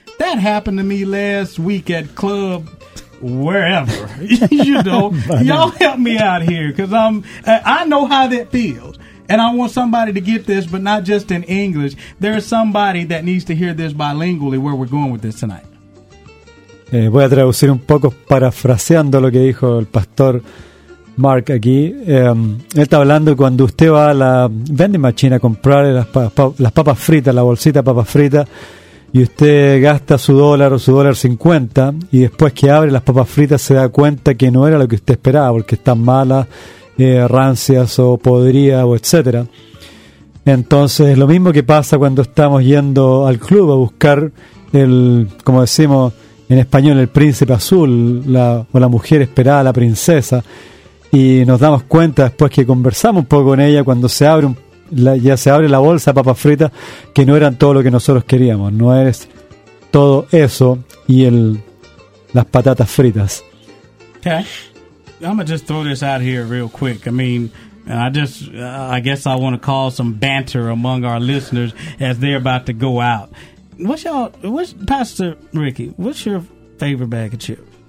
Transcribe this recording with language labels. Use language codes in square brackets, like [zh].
[en] That happened to me last week at club wherever, you know. Y'all help me out here, because I know how that feels. And I want somebody to get this, but not just in English. There's somebody that needs to hear this bilingually where we're going with this tonight. [es] Voy a traducir un poco parafraseando lo que dijo el pastor Mark aquí. Él está hablando cuando usted va a la vending machine a comprar las papas fritas, la bolsita de papas fritas, y usted gasta su dólar o su dólar 50, y después que abre las papas fritas se da cuenta que no era lo que usted esperaba, porque están malas, rancias o podridas o etcétera. Entonces, lo mismo que pasa cuando estamos yendo al club a buscar el, como decimos en español, el príncipe azul, o la mujer esperada, la princesa, y nos damos cuenta después que conversamos un poco con ella, cuando se abre ya se abre la bolsa de papas fritas, que no eran todo lo que nosotros queríamos, no es todo eso y las patatas fritas. [en] Okay, I'm gonna just throw this out here real quick. I mean, I guess I want to cause some banter among our listeners as they're about to go out. What's Pastor Ricky? What's your favorite bag of chips?